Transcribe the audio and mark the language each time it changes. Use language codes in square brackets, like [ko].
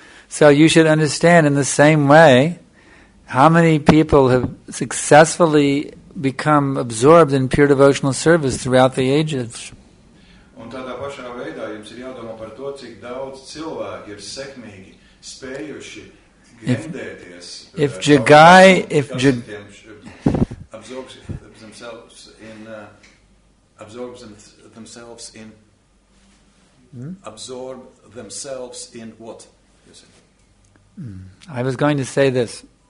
[en] So you should understand in the same way, how many people have successfully become absorbed in pure devotional service throughout the ages? [lv] Un tādā pašā veidā jums ir jādomā par to, cik daudz cilvēki ir sekmīgi spējuši grendēties. [en] If Jagai, if Jagai, absorb themselves in what? I was going to say this.